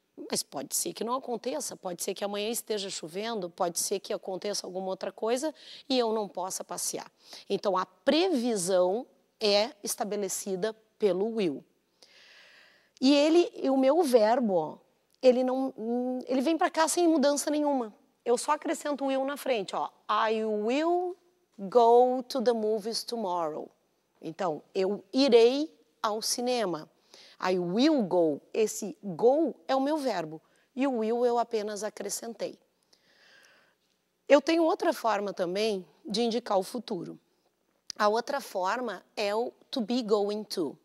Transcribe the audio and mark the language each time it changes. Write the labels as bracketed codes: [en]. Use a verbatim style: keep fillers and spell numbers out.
[pt] Mas pode ser que não aconteça, pode ser que amanhã esteja chovendo, pode ser que aconteça alguma outra coisa e eu não possa passear. Então, a previsão é estabelecida pelo will. E ele, o meu verbo, ó, ele, não, ele vem para cá sem mudança nenhuma. Eu só acrescento o will na frente. Ó. [en] I will go to the movies tomorrow. [pt] Então, eu irei ao cinema. [en] I will go, [pt] esse go é o meu verbo, e o will eu apenas acrescentei. Eu tenho outra forma também de indicar o futuro. A outra forma é o to be going to.